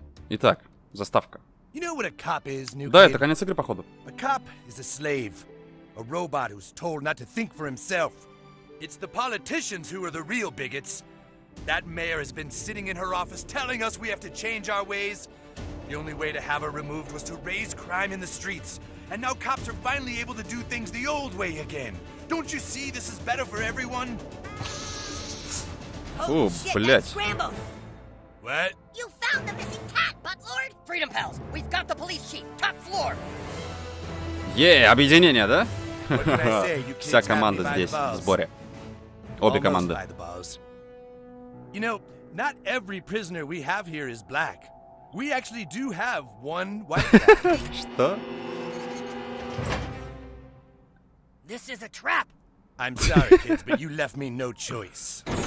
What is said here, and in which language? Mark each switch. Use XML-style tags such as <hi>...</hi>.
<ru>Итак, заставка. Да, это конец игры, походу.</ru> <en>A cop is a slave, a robot who's told not to think for himself. It's the politicians who are the real bigots. That mayor has been sitting in her office telling us we have to change our ways. The only way to have her removed was to raise crime in the streets, and now cops are finally able to do things the old way again. Don't you see this is better for everyone?</en> <ru>О, блять.</ru> <en>What? You found the missing cat, Butlord! Freedom Pals, we've got the police chief, top floor!</en> <ru>Yeah, объединение, да? Вся команда здесь, в сборе. Обе команды.</ru> <en>You know, not every prisoner we have here is black. We actually do have one white guy.</en> <ru>Что?</ru> <en>This is a trap. I'm sorry, kids, but you left me no choice.</en>